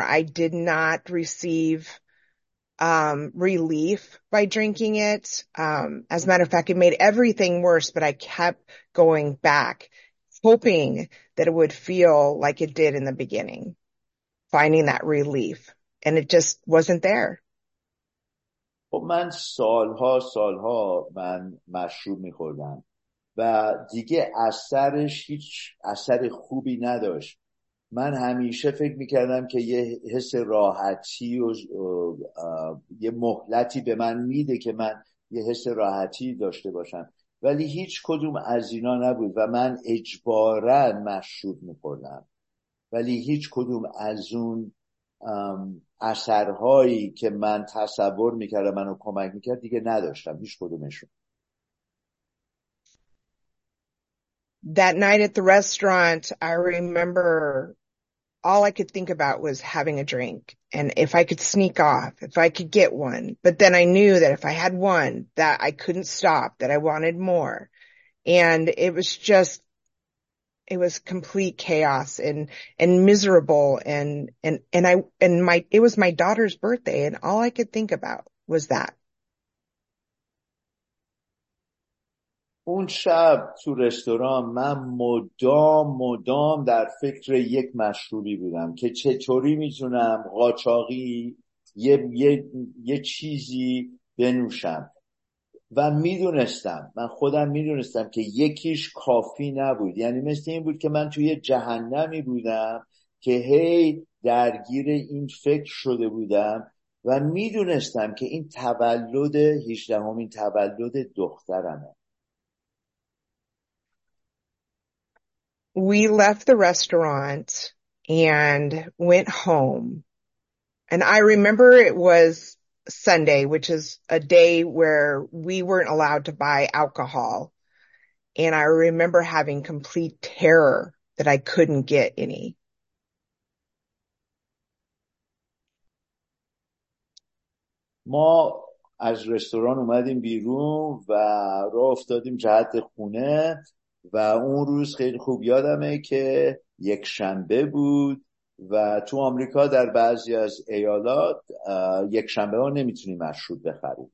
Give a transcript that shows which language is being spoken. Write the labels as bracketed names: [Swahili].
[English] I did not receive relief by drinking it. As a matter of fact, it made everything worse, but I kept going back, hoping that it would feel like it did in the beginning, finding that relief. And it just wasn't there. [Persian] خب من سالها سالها من مشروب میخوردم و دیگه اثرش هیچ اثر خوبی نداشت. من همیشه فکر میکردم که یه حس راحتی و یه مهلتی به من میده که من یه حس راحتی داشته باشم، ولی هیچ کدوم از اینا نبود و من اجباراً مشروب میخوردم، ولی هیچ کدوم از اون اثرهایی که من تصور میکردم منو کمک میکرد دیگه نداشتم، هیچ کدومشون. [English] That night at the restaurant, I remember all I could think about was having a drink and if I could sneak off, if I could get one. But then I knew that if I had one, that I couldn't stop, that I wanted more. And it was complete chaos and miserable. It was my daughter's birthday and all I could think about was that. [Persian] اون شب تو رستوران من مدام مدام در فکر یک مشروبی بودم که چطوری میتونم قاچاقی یه چیزی بنوشم و میدونستم، من خودم میدونستم که یکیش کافی نبود. یعنی مثل این بود که من توی جهنمی بودم که هی درگیر این فکر شده بودم و میدونستم که این تولد 18 تولد دخترمه. [English] We left the restaurant and went home. And I remember it was Sunday, which is a day where we weren't allowed to buy alcohol. And I remember having complete terror that I couldn't get any. [Persian] ما از رستوران اومدیم بیرون و راه افتادیم جهت خونه و اون روز خیلی خوب یادمه که یک شنبه بود و تو آمریکا در بعضی از ایالات یک شنبه ها نمیتونی مشروب بخرید.